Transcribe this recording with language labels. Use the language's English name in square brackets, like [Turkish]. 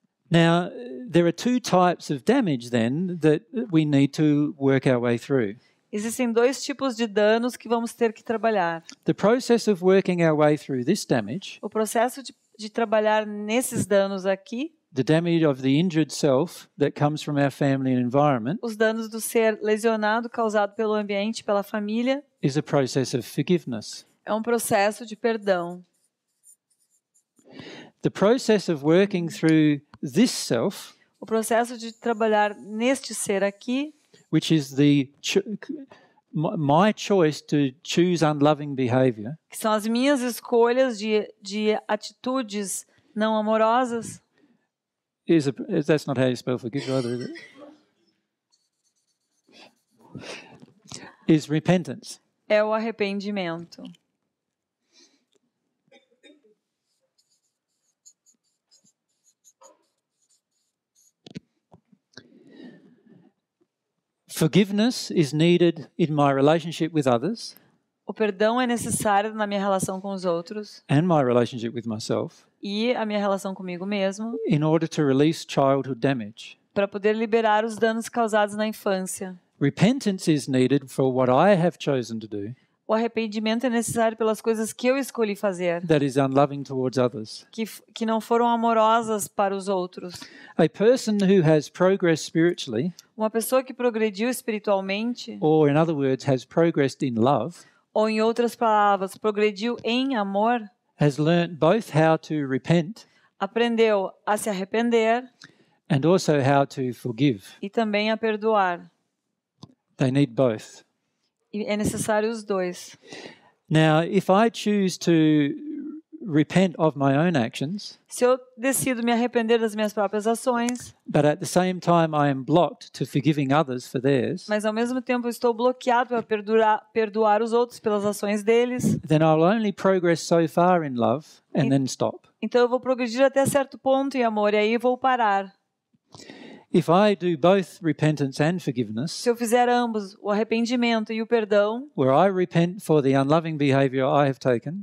[English] Now, there are two types of damage, then, that we need to work our way through. [Portuguese] Existem dois tipos de danos que vamos ter que trabalhar. [English] The process of working our way through this damage, [Portuguese] o processo de trabalhar nesses danos aqui, [English] the damage of the injured self that comes from our family and environment, [Portuguese] os danos do ser lesionado causado pelo ambiente, pela família, [English] is a process of forgiveness. [Portuguese] É um processo de perdão. [English] The process of working through this self, [Portuguese] o processo de trabalhar neste ser aqui, [English] which is the my choice to choose unloving behavior, [Portuguese] que são as minhas escolhas de atitudes não amorosas. [English] That's not how you spell forgive either, is it? Is repentance. [Portuguese] É o arrependimento. [English] Forgiveness is needed in my relationship with others. [Portuguese] O perdão é necessário na minha relação com os outros. [English] And my relationship with myself. [Portuguese] E a minha relação comigo mesmo. [English] In order to release childhood damage. [Portuguese] Para poder liberar os danos causados na infância. [English] Repentance is needed for what I have chosen to do. [Portuguese] O arrependimento é necessário pelas coisas que eu escolhi fazer. [English] That is unloving towards others. [Portuguese] Que não foram amorosas para os outros. [English] A person who has progressed spiritually, [Portuguese] uma pessoa que progrediu espiritualmente, [English] or in other words, has progressed in love, [Portuguese] ou em outras palavras, progrediu em amor, [English] has learned both how to repent, [Portuguese] aprendeu a se arrepender, [English] and also how to forgive, [Portuguese] e também a perdoar. [English] They need both. [Portuguese] É necessário os dois. [English] Now, if I choose to repent of my own actions, [Portuguese] se eu decido me arrepender das minhas próprias ações, [English] but at the same time I am blocked to forgiving others for theirs, [Portuguese] mas ao mesmo tempo estou bloqueado para perdoar os outros pelas ações deles, [English] then I'll only progress so far in love and then stop. [Portuguese] Então eu vou progredir até certo ponto em amor e aí vou parar. [English] If I do both repentance and forgiveness, [Portuguese] se eu fizer ambos, o arrependimento e o perdão, [English] where I repent for the unloving behavior I have taken,